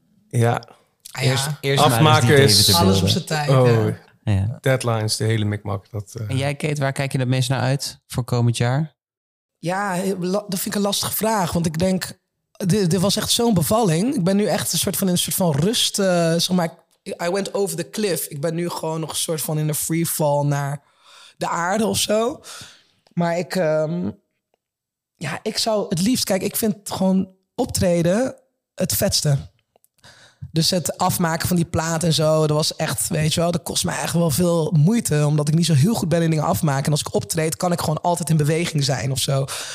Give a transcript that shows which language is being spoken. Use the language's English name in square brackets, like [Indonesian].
[Dutch] eerst afmaken maar eens die is alles op zijn tijd. Oh, ja. Deadlines, de hele mikmak. En jij, Kate, waar kijk je het meest naar uit voor komend jaar? Ja, dat vind ik een lastige vraag, want ik denk, dit was echt zo'n bevalling. Ik ben nu echt een soort van rust. Zeg maar, [English] I went over the cliff. [Dutch] Ik ben nu gewoon nog een soort van in een free fall naar de aarde of zo. Maar ik zou het liefst, kijk, ik vind gewoon optreden het vetste. Dus het afmaken van die plaat en zo, dat was echt, weet je wel, dat kost me eigenlijk wel veel moeite, omdat ik niet zo heel goed ben in dingen afmaken. En als ik optreed, kan ik gewoon altijd in beweging zijn of zo.